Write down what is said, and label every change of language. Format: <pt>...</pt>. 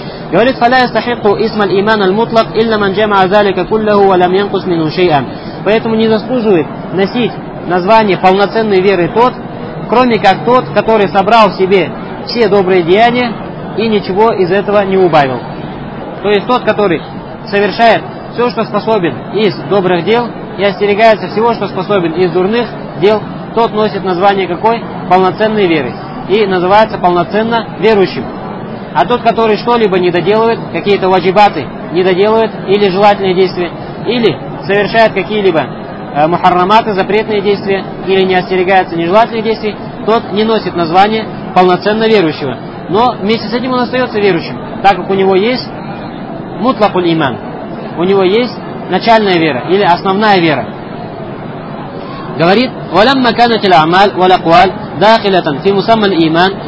<ru>Говорит,</ru> <ar>فَلَا يَسْتَحِقُّ إِسْمَ الْإِيمَانَ الْمُطْلَقُ إِلَّا مَنْ جَمَعَ ذَلِكَ كُلَّهُ وَلَمْ يَنْقُسْ مِنْهُ شَيْئًا.</ar> <ru>Поэтому не заслуживает носить название полноценной веры тот, кроме как тот, который собрал в себе все добрые деяния и ничего из этого не убавил. То есть тот, который совершает все, что способен из добрых дел, и остерегается всего, что способен из дурных дел, тот носит название какой? Полноценной веры. И называется полноценно верующим. А тот, который что-либо не доделывает, какие-то ваджибаты не доделывает, или желательные действия, или совершает какие-либо мухаррамата, запретные действия, или не остерегается нежелательных действий, тот не носит название полноценно верующего. Но вместе с этим он остается верующим, так как у него есть мутлакуль иман. У него есть начальная вера или основная вера. Говорит,</ru> <ar>وَلَمَّ كَانَتِ الْعَمَالِ وَلَقْوَالِ دَخِلَةً فِي مُسَمَّ الْإِيمَانِ.</ar>